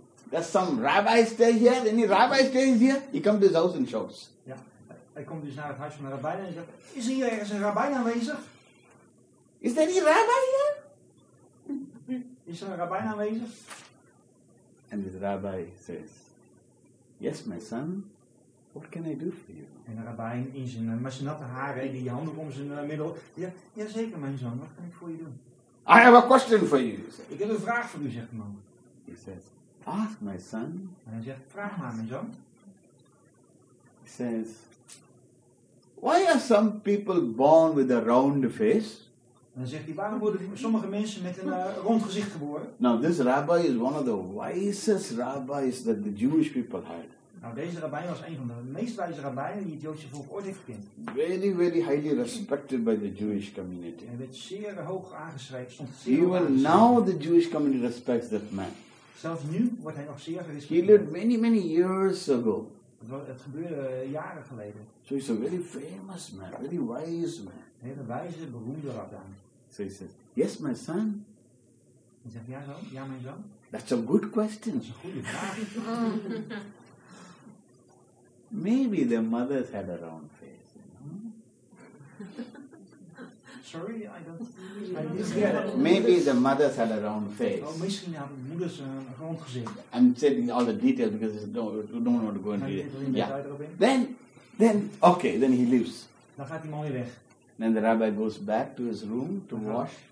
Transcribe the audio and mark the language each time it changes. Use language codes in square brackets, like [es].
[en] Does some rabbi stay here? Any rabbi stays here? He comes to his house and shouts. [nl] Ja. Hij komt dus naar het huis van de rabbijn en zegt, is hier ergens een rabbijn aanwezig? [en] Is there any rabbi here? [nl] Is er een rabbijn aanwezig? [en] And the rabbi says, yes my son, what can I do for you? [nl] En de rabbijn in zijn machinatte haren, die handen om zijn middel, ja zeker mijn zoon, wat kan ik voor je doen? [en] I have a question for you. [nl] Ik heb een vraag voor u, zegt de man. [en] He says, ask my son. [nl] En hij zegt, vraag maar mijn zoon. [en] He says, why are some people born with a round face? [nl] En dan zegt hij, waarom worden sommige mensen met een rond gezicht geboren? [en] Now this rabbi is one of the wisest rabbis that the Jewish people had. [nl] Nou, deze rabbijn was een van de meest wijze rabbijnen die het Joodse volk ooit heeft gekend. [en] Very, very highly respected by the Jewish community. [nl] Hij werd zeer hoog aangeschreven. [en] Even now the Jewish community respects that man. [nl] Zelfs nu wordt hij nog zeer gerespecteerd. [en] He lived many, many years ago. [nl] Het gebeurde jaren geleden. [en] So he's a very famous man, very wise man. [nl] Een hele wijze, beroemde rabbijn. [en] So he said, yes my son. [nl] Hij zegt, ja zo, ja mijn zoon. [en] That's a good question. [nl] Dat is een goede vraag. [en] Maybe the mothers had a round face. Sorry, I don't. Maybe the mothers had a round face. [nl] Oh, misschien hadden de moeders een rond gezicht. [en] I'm saying all the details because we don't want to go into it. Yeah. Then he leaves. [nl] Dan gaat die man weer weg. [en] Then the rabbi goes back to his room to wash.